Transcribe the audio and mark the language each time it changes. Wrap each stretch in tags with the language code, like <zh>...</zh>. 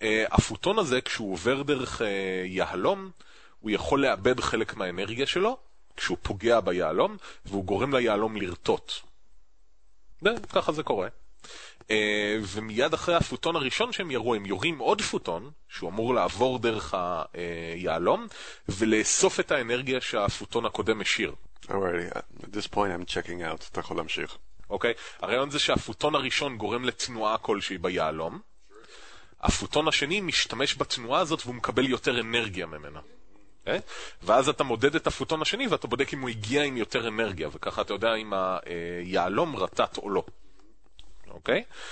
<he>הפוטון הזה כשהוא עובר דרך יהלום הוא יכול לאבד חלק מהאנרגיה שלו כשהוא פוגע ביהלום, והוא גורם ליהלום לרטוט, וככה זה קורה. ומיד אחרי הפוטון הראשון שהם ירו, הם יורים עוד פוטון שהוא אמור לעבור דרך היהלום ולאסוף את האנרגיה שהפוטון הקודם השאיר.</he> <en>Alrighty, at this point I'm checking out.</en> <he>אתה יכול להמשיך. אוקיי, הרעיון זה שהפוטון הראשון גורם לתנועה כלשהי ביהלום. הפוטון השני משתמש בתנועה הזאת והוא מקבל יותר אנרגיה ממנה. ואז אתה מודד את הפוטון השני ואתה בודק אם הוא הגיע עם יותר אנרגיה, וככה אתה יודע אם היהלום רטט או לא. אוקיי?</he>